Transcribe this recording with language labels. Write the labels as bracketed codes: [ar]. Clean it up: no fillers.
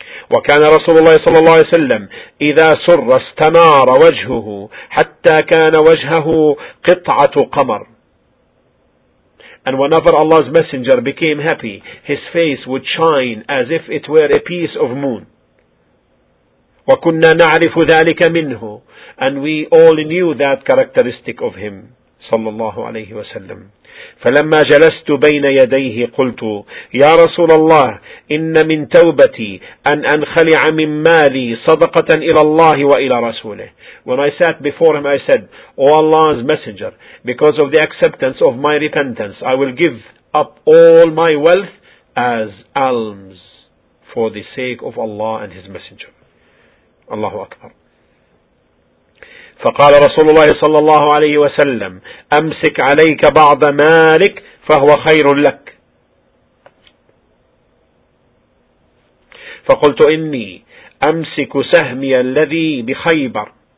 [ar] وكان رسول الله صلى الله عليه وسلم إذا سر استنار وجهه حتى كان وجهه قطعة قمر. [en] And whenever Allah's Messenger became happy, his face would shine as if it were a piece of moon. [ar] وَكُنَّا نَعْرِفُ ذَلِكَ مِنْهُ. [en] And we all knew that characteristic of him, [ar] صلى الله عليه وسلم. فَلَمَّا جَلَسْتُ بَيْنَ يَدَيْهِ قُلْتُ يَا رَسُولَ اللَّهِ إِنَّ مِنْ تَوْبَتِي أَنْ أَنْخَلِعَ مِنْ مَالِي صَدَقَةً إِلَى اللَّهِ وَإِلَى رَسُولِهِ. [en] When I sat before him, I said, "O Allah's Messenger, because of the acceptance of my repentance, I will give up all my wealth as alms for the sake of Allah and His Messenger." [ar] Allahu Akbar. فقال رسول الله صلى الله عليه وسلم أمسك عليك بعض مالك فهو خير لك. فقلت إني أمسك سهمي الذي بخيبر.